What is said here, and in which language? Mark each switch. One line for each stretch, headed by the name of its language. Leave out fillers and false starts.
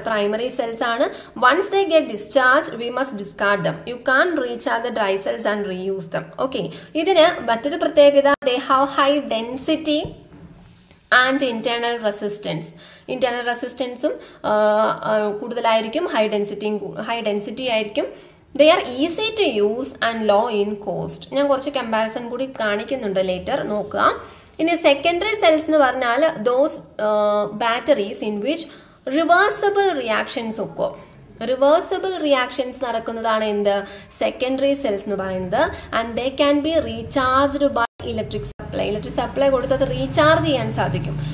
Malayalam: Primary cells ആണ്.
English: Once they get discharge we must discard them. You can't recharge the dry cells and reuse them.
Malayalam: Okay, ഇതിന് മറ്റൊരു പ്രത്യേകത,
English: They have high density and internal resistance.
Malayalam: Internal റെസിസ്റ്റൻസും കൂടുതലായിരിക്കും, high density ആയിരിക്കും.
English: They are easy to use and low in cost.
Malayalam: ഞാൻ കുറച്ച് comparison കൂടി കാണിക്കുന്നുണ്ട്, ലേറ്റർ നോക്കുക. ഇനി സെക്കൻഡറി സെൽസ് എന്ന് പറഞ്ഞാൽ
English: Those batteries in which reversible reactions occur.
Malayalam: Reversible reactions നടക്കുന്നതാണ് എന്ത്? സെക്കൻഡറി സെൽസ് എന്ന് പറയുന്നത്.
English: And they can be recharged by electric supply.
Malayalam: Electric supply കൊടുത്താൽ അത് റീചാർജ് ചെയ്യാൻ സാധിക്കും.